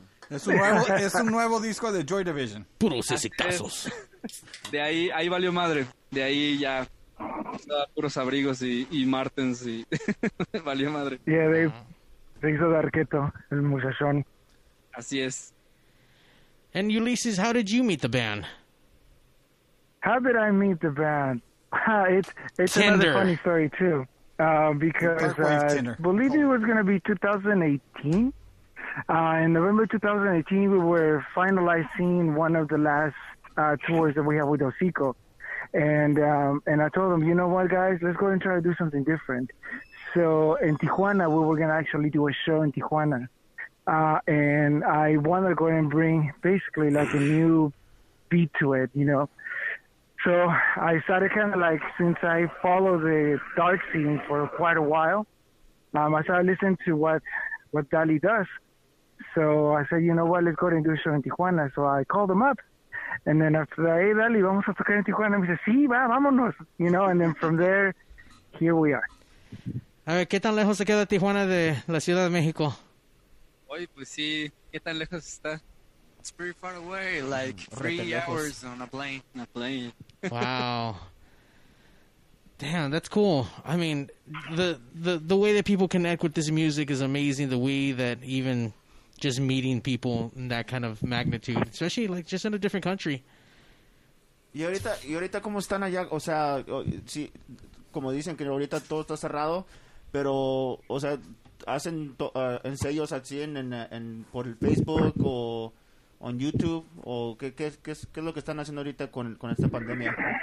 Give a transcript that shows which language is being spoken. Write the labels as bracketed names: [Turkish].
[Spanish] Es un nuevo disco de Joy Division. Puros exitazos. De ahí valió madre, de ahí ya... puros abrigos y Martens y valió madre. Y yeah, se hizo de arqueto el muchachón. Así es. [English] And Ulises, how did you meet the band? How did I meet the band? It's another funny story too. Because I believe it was going to be 2018. In November 2018, we were finalizing one of the last tours that we have with Hocico. And I told them, you know what, guys, let's go and try to do something different. So in Tijuana, we were going to actually do a show in Tijuana. And I wanted to go and bring basically like a new beat to it, you know. So I started kind of like, since I followed the dark scene for quite a while, I started listening to what Dali does. So I said, you know what, let's go and do a show in Tijuana. So I called them up. And then after that, hey, [Spanish] dale, vamos a tocar en Tijuana. [English] And he says, [Spanish] sí, va, vámonos. [English] You know, and then from there, here we are. [Spanish] A ver, ¿qué tan lejos se queda Tijuana de la Ciudad de México? Oye, pues sí, ¿qué tan lejos está? [English] It's pretty far away, like 3 hours on a plane. Wow. Damn, that's cool. I mean, the way that people connect with this music is amazing. The way that even... just meeting people in that kind of magnitude, especially like just in a different country. [Spanish] Y ahorita cómo están allá, o sea, sí, como dicen que ahorita todo está cerrado, pero o sea, hacen ensayos así en por el Facebook o on YouTube o qué es lo que están haciendo ahorita con esta pandemia.